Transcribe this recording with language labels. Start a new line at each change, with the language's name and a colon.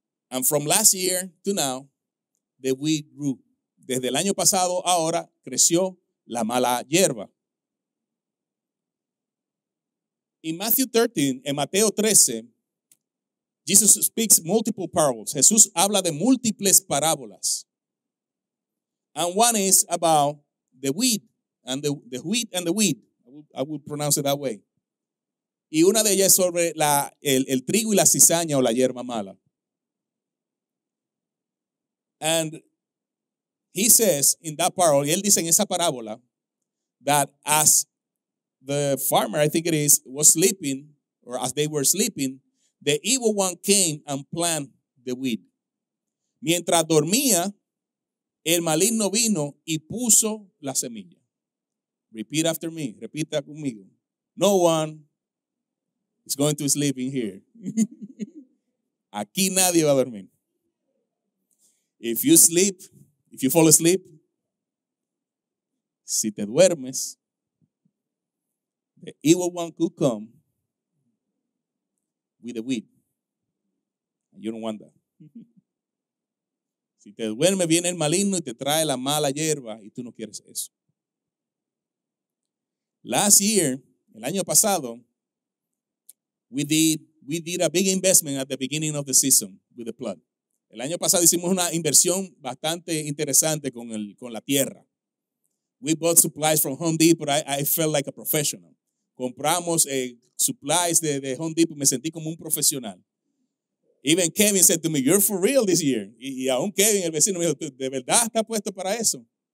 English: And from last year to now, the weed grew.
Spanish: Desde el año pasado ahora creció la mala hierba.
English: In Matthew 13,
Spanish: en Mateo 13,
English: Jesus speaks multiple parables.
Spanish: Jesús habla de múltiples parábolas.
English: And one is about the wheat and the wheat and the weed. I will pronounce it that way.
Spanish: Y una de ellas es sobre el trigo y la cizaña o la hierba mala.
English: And he says in that parable,
Spanish: y él dice en esa parábola,
English: that as the farmer, I think it is, was sleeping, or as they were sleeping, the evil one came and planted the weed.
Spanish: Mientras dormía, el maligno vino y puso la semilla.
English: Repeat after me.
Spanish: Repita conmigo.
English: No one is going to sleep in here.
Spanish: Aquí nadie va a dormir.
English: If you fall asleep,
Spanish: si te duermes,
English: the evil one could come with the weed. You don't want that.
Spanish: Si te duermes, viene el maligno y te trae la mala hierba y tú no quieres eso.
English: Last year,
Spanish: el año pasado,
English: we did a big investment at the beginning of the season with the plot.
Spanish: El año pasado hicimos una inversión bastante interesante con la tierra.
English: We bought supplies from Home Depot. I felt like a professional.
Spanish: Compramos supplies de Home Depot. Me sentí como un profesional.
English: Even Kevin said to me, you're for real this year.
Spanish: Y aún Kevin, el vecino, me dijo, ¿de verdad está puesto para eso?